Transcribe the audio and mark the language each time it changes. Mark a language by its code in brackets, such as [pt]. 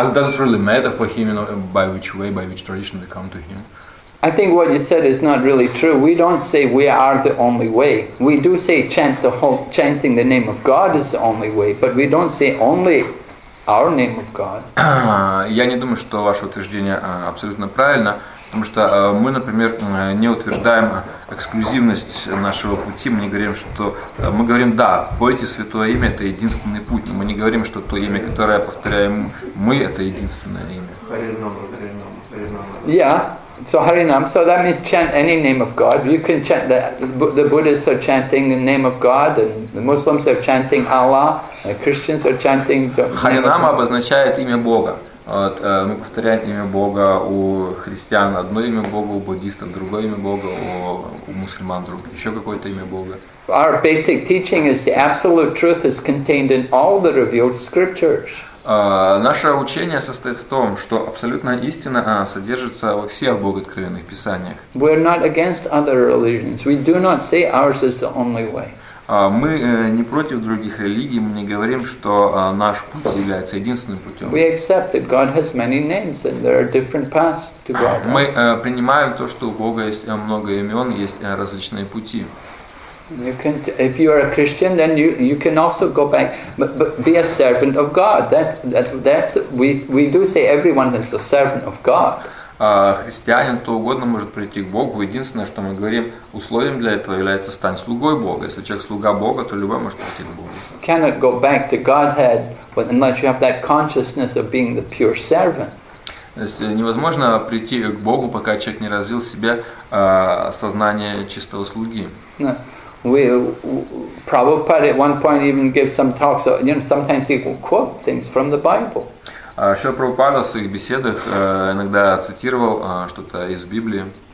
[en] does it really matter for Him, you know, by which way, by which tradition we come to Him? I think what you said is not really true. We don't say we are the only way. We do say chanting the name of God is the only way, but we don't say only our name of God. [ru] Я не думаю, что ваше утверждение абсолютно правильно. Потому что мы, например, не утверждаем эксклюзивность нашего пути, мы не говорим, что... Мы говорим, да, пойте святое имя, это единственный путь. Мы не говорим, что то имя, которое повторяем мы, это единственное имя. [en] So Harinam, so that means chant any name of God. You can chant the Buddhists are chanting the name of God, and the Muslims are chanting Allah, and Christians are chanting the name Харинама of God. [ru] Обозначает имя Бога. Вот, мы повторяем имя Бога у христиан одно имя Бога, у буддистов другое имя Бога, у мусульман другое, еще какое-то имя Бога. [en] Our basic teaching is the absolute truth is contained in all the revealed scriptures. [ru] Наше учение состоит в том, что абсолютная истина содержится во всех богооткровенных писаниях. [en] We're not against other religions. We do not say ours is the only way. [ru] Мы не против других религий, мы не говорим, что наш путь является единственным путем. [en] We accept that God has many names and there are different paths to God. [ru] Мы принимаем то, что у Бога есть много имен, есть различные пути. [en] You can, if you are a Christian, then you can also go back, but be a servant of God. That's we do say everyone is a servant of God. [ru] Христианин то угодно может прийти к Богу. Единственное, что мы говорим, условием для этого является стань слугой Бога. Если человек слуга Бога, то любой может прийти к Богу. [en] Cannot go back to Godhead unless you have that consciousness of being the pure servant. [ru] То есть невозможно прийти к Богу, пока человек не развил в себе сознание чистого слуги. [en] Prabhupada at one point even gives some talks. You know, sometimes he will quote things from the Bible. [ru] Шрила Прабхупада в своих беседах иногда цитировал что-то из Библии.